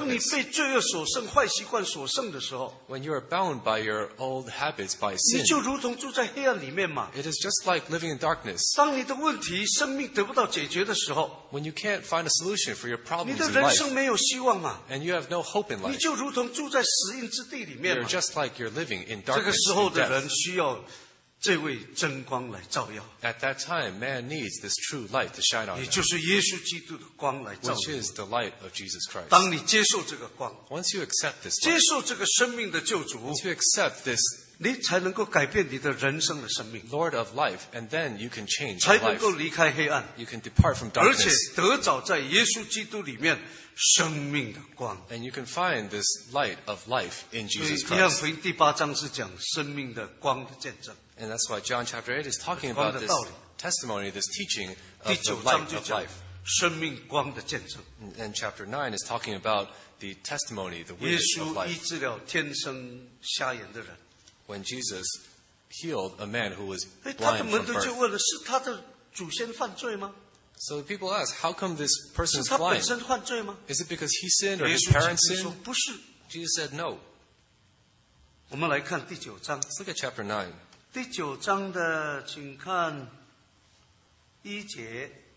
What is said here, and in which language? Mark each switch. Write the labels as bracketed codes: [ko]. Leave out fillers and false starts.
[zh] 当你被罪恶所剩坏习惯所剩的时候 [en] When you are bound by your old habits by sin, [zh] 你就如同住在黑暗里面嘛 [en] It is just like living in darkness. [zh] 当你的问题生命得不到解决的时候 [en] When you can't find a solution for your problems in life, [zh] 你的人生没有希望嘛 [en] And you have no hope in life. [zh] 你就如同住在死荫之地里面嘛 [en] You're just like you're living in darkness. [zh] 这个时候的人需要这位真光来照耀。 [en] At that time, man needs this true light to shine on him. [zh] 也就是耶稣基督的光来照耀。 [en] Which is the light of Jesus Christ. [zh] 当你接受这个光 [en] Once you accept this light, [zh] 接受这个生命的救主 [en] Once you accept this [zh] 你才能够改变你的人生的生命 [en] Lord of life, and then you can change your life. [zh] 才能够离开黑暗 [en] You can depart from darkness. [zh] 而且得着在耶稣基督里面生命的光。 [en] And you can find this light of life in Jesus Christ. [zh] 约翰福音第八章是讲生命的光的见证。 [en] And that's why John chapter 8 is talking about this testimony, this teaching of the light of life. [zh] 生命光的见证。 [en] And chapter 9 is talking about the testimony, the witness of life. [zh] 耶稣医治了天生瞎眼的人。 [en] When Jesus healed a man who was blind from birth. [zh] 他的门徒就问了，是他的祖先犯罪吗？ [en] So people ask, how come this person is blind? [zh] 是他本身犯罪吗？ [en] Is it because he sinned or his parents sinned? [zh] 不是。 [en] Jesus said no. [zh] 我们来看第九章。 [en] Let's look at chapter 9. [zh] 第九章的，请看一节。